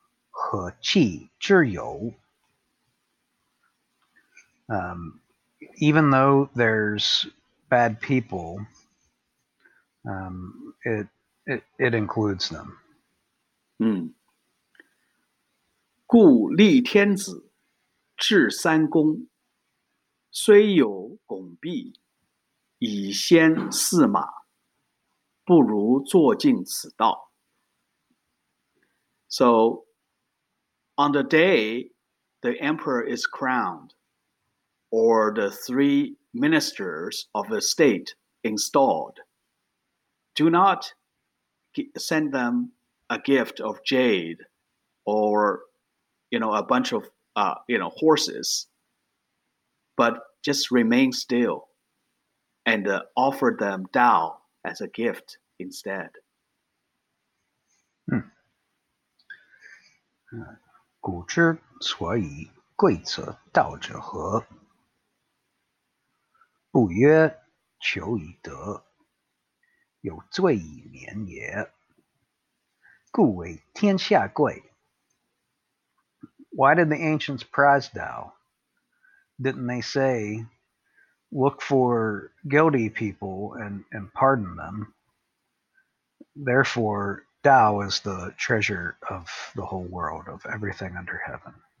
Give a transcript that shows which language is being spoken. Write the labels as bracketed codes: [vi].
[zh] 和气之有。 [en] Even though there's bad people, it includes them. [zh] 故立天子至三公，虽有拱璧，以先驷马，不如坐尽此道。 [en] So,on the day the emperor is crowned, or the three ministers of the state installed, do not send them a gift of jade or, you know, a bunch of, you know, horses, but just remain still and offer them Tao as a gift instead. [zh] 古之所以贵则道者何？不曰求以得，有罪以免也。故为天下贵。 [en] Why did the ancients prize Tao? Didn't they say, look for guilty people and pardon them? Therefore, Tao is the treasure of the whole world, of everything under heaven.